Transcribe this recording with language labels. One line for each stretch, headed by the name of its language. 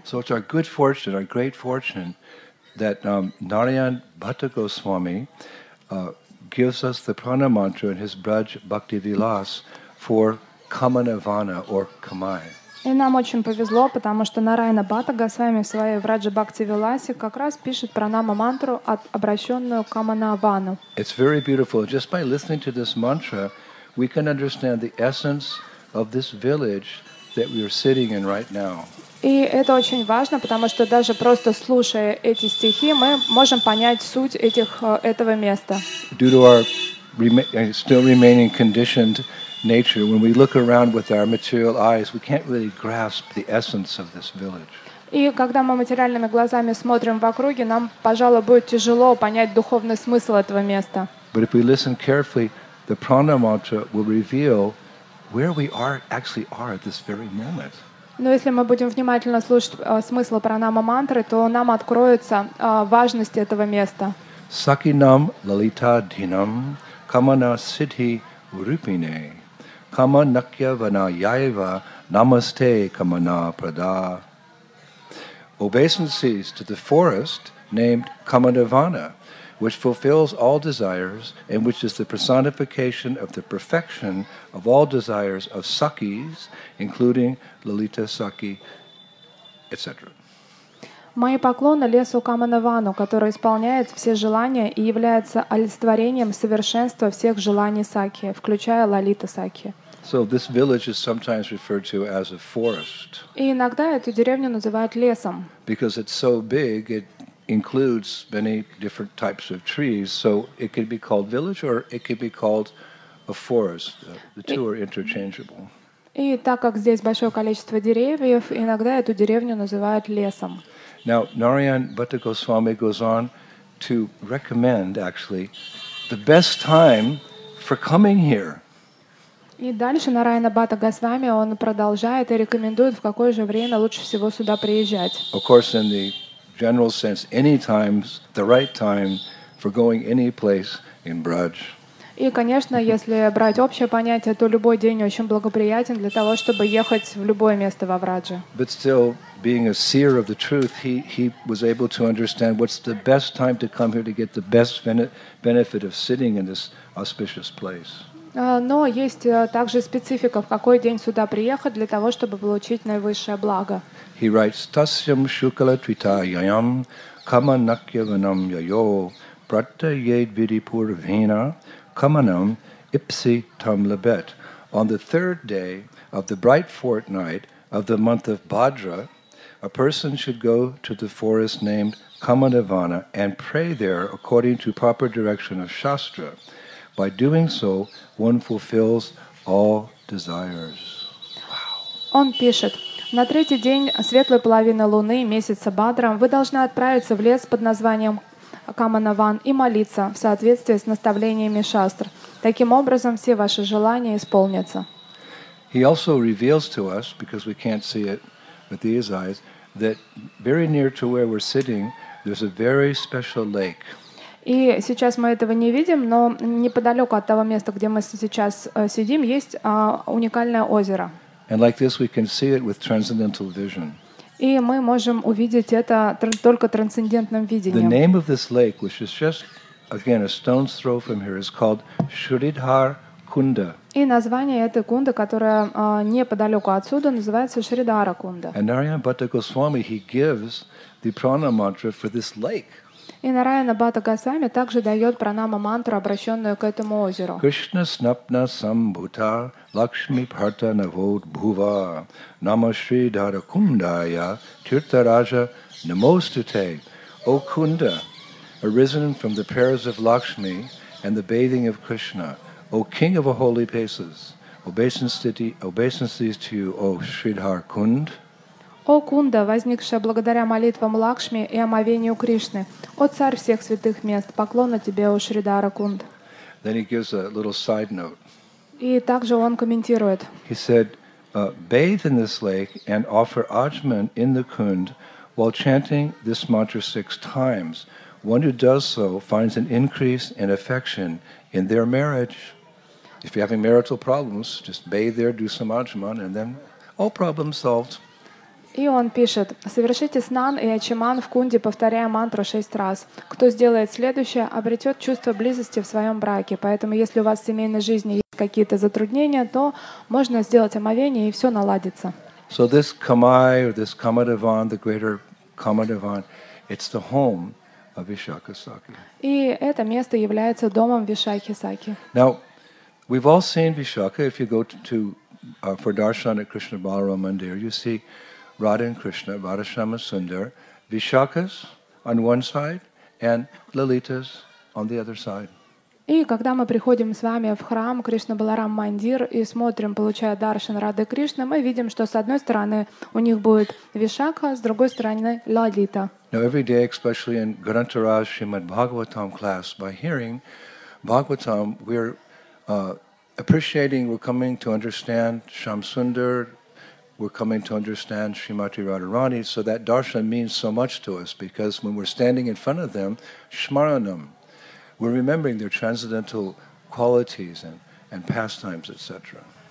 English: So it's our good fortune, our great fortune, that Narayan Bhatta Goswami gives us the prana mantra in his Braj Bhakti Vilas for Kamanavana or Kamai.
Russian: И нам очень повезло, потому что Нараяна Бхатта Госвами в своей Враджа Бхакти Виласе как раз пишет пранама мантру, обращенную к Каманавану.
English: It's very beautiful. Just by listening to this mantra, we can understand the essence of this village that we are sitting in right now.
Russian: И это очень важно, потому что даже просто слушая эти стихи, мы можем понять суть этого места.
English: Due to our still remaining conditioned nature, when we look around with our material eyes, we can't really grasp the essence of this village.
Russian: И когда мы материальными глазами смотрим в округе, нам, пожалуй, будет тяжело понять духовный смысл этого места.
English: But if we listen carefully, the prana mantra will reveal where we are actually are at this very moment.
Russian: Но если мы будем внимательно слушать смысл пранама мантры, то нам откроется важность этого места.
Sanskrit: Сакинам лалита динам камана сидхи рупине Kama nakya vana yaiva namaste kamana prada.
English: Obeisances to the forest named Kamanavana, which fulfills all desires and which is the personification of the perfection of all desires of Sakis, including Lalita Saki, etc.
Russian: Мои поклоны лесу Каманавану, который исполняет все желания и является олицетворением совершенства всех желаний Саки, включая Лалита Саки.
English: So this village is sometimes referred to as a forest.
Russian: И иногда эту деревню называют лесом.
English: Because it's so big, it includes many different types of trees, so it could be called village or it could be called a forest. The two are interchangeable.
Russian: И так как здесь большое количество деревьев, иногда эту деревню называют лесом.
English: Now Narayan Bhatta Goswami goes on to recommend actually the best time for coming here.
Russian: И дальше Нараяна Бхатта Госвами он продолжает и рекомендует, в какое же время лучше всего сюда приезжать.
English: Of course, in the general sense, any time's the right time for going any place in Braj.
Russian: И, конечно, если брать общее понятие, то любой день очень благоприятен для того, чтобы ехать в любое место во Врадже.
English: But still, being a seer of the truth, he was able to understand what's the best time to come here to get the best benefit of sitting in this auspicious place.
Russian: Но есть также специфика, в какой день сюда приехать для того, чтобы получить наивысшее благо.
English: He writes,
Sanskrit: Tasyam shukala twita yayam kamanakyavanam yayo pratyayed vidipur vena kamanam ipsi tam labet.
English: On the third day of the bright fortnight of the month of Bhadra, a person should go to the forest named Kamanavana and pray there according to proper direction of Shastra. By doing so, one fulfills all desires.
Russian: Он пишет: На третий день светлой половины луны месяца Бадра вы должны отправиться в лес под названием Каманаван и молиться в соответствии с наставлениями шастр. Таким образом все ваши желания исполнятся.
English: He also reveals to us, because we can't see it with these eyes, that very near to where we're sitting, there's a very special lake.
Russian: И сейчас мы этого не видим, но неподалеку от того места, где мы сейчас сидим, есть уникальное озеро.
English: And like this we can see it with transcendental vision.
Russian: И мы можем увидеть это только трансцендентным видением.
English: The name of this lake, which is just, again, a stone's throw from here, is called Shridhar Kunda.
Russian: И название этой кунды, которая неподалеку отсюда, называется Шридхара Кунда.
English: And Narayana Bhatta Goswami, he gives the prana mantra for this lake.
Russian: И Нараяна Бхатта Госвами также дает пранама мантру, обращенную к этому озеру.
Sanskrit: Кришна снапна самбута лакшми парта навод бхува нама шри дара кундая тирта ража намостуте.
Russian: О Кунда,
English: arisen from the prayers of Lakshmi and the bathing of Krishna, O King of all holy places, obeisances to you, O Shridhar Kund.
Russian: О Кунда, возникшая благодаря молитвам Лакшми и омовению Кришны, о царь всех святых мест, поклона тебе, о Шридхара Кунд.
English: Then he gives a little side note.
Russian: И также он комментирует.
English: He said, bathe in this lake and offer ajman in the Kund while chanting this mantra six times. One who does so finds an increase in affection in their marriage. If you're having marital problems, just bathe there, do some ajman, and then all problems solved.
Russian: И он пишет, совершите снан и ачиман в кунде, повторяя мантру шесть раз. Кто сделает следующее, обретет чувство близости в своем браке. Поэтому, если у вас в семейной жизни есть какие-то затруднения, то можно сделать омовение, и все наладится.
English: So this Kamai, or this Kamadevan, the greater Kamadevan, it's the home of Vishakhasakhi.
Russian: И это место является домом Вишакхасакхи.
English: Now, we've all seen Vishakha. If you go for darshan at Krishna Balaram Mandir, you see Radha and Krishna, Radha Shyama Sundar, Vishakhas on one side and Lalitas on the other side.
Russian: И когда мы приходим с вами в храм Кришна Баларам Мандир и смотрим, получая даршан Рады Кришны, мы видим, что с одной стороны у них будет Вишакха, с другой стороны Лалита.
English: Now every day, especially in Granthiraj Srimad Bhagavatam class, by hearing Bhagavatam, we're appreciating, we're coming to understand Shamsundar. We're coming to understand Srimati Radharani, so that darshan means so much to us because when we're standing in front of them, shmaranam, we're remembering their transcendental qualities and pastimes, etc.